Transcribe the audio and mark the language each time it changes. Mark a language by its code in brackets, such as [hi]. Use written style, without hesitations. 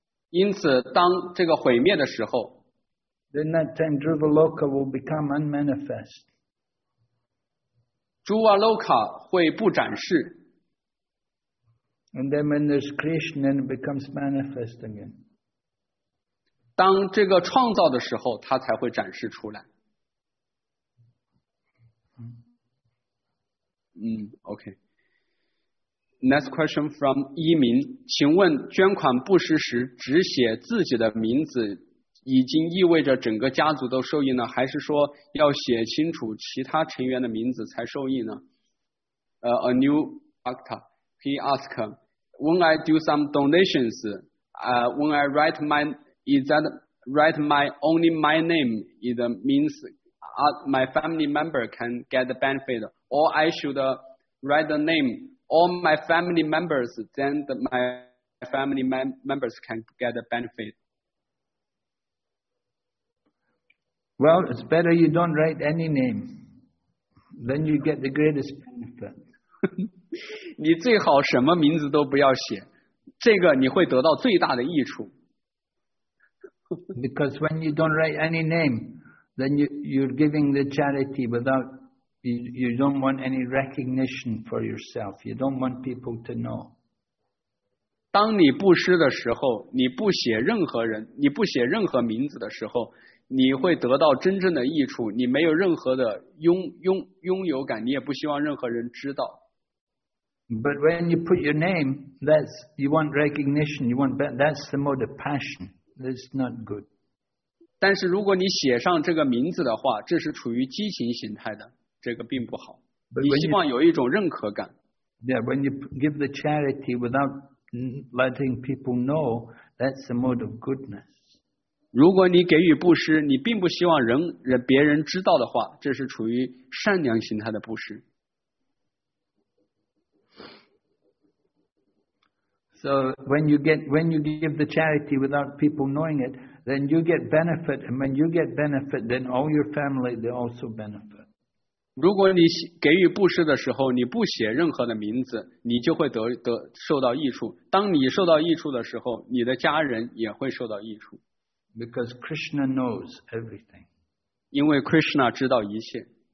[zh] 因此当这个毁灭的时候 [en] Then that time Dhruvaloka will become unmanifest. [zh] Dhruvaloka 会不展示。 [en] And then when there's creation, then it becomes manifest again. [zh] 当这个创造的时候它才会展示出来。 [en] OK. Next question from [zh] 一鸣，请问捐款布施时只写自己的名字，已经意味着整个家族都受益呢，还是说要写清楚其他成员的名字才受益呢？ [en] A new actor, he asked, when I do some donations, when I write my, is that write my only my name? It means my family member can get the benefit, or I should write the name. All my family members, then my family members can get a benefit. Well, it's better you don't write any name. Then you get the greatest benefit. [zh] 你最好什么名字都不要写，这个你会得到最大的益处。 [en] Because when you don't write any name, then you're giving the charity without... You don't want any recognition for yourself. You don't want people to know. [zh] 当你布施的时候，你不写任何人，你不写任何名字的时候，你会得到真正的益处。你没有任何的拥有感，你也不希望任何人知道。 [en] But when you put your name, you want recognition. You want that's the mode of passion. That's not good. [zh] 但是如果你写上这个名字的话，这是处于激情形态的。这个并不好，你希望有一种认可感。 [en] Yeah, when you give the charity without letting people know, that's the mode of goodness. [zh] 如果你给予布施，你并不希望别人知道的话，这是处于善良形态的布施。 [en] So when you give the charity without people knowing it, then you get benefit, and when you get benefit, then all your family they also benefit. [zh] 如果你给予布施的时候，你不写任何的名字，你就会得受到益处。当你受到益处的时候，你的家人也会受到益处。 [en] Because Krishna knows everything. [zh] 因为 Krishna 知道一切。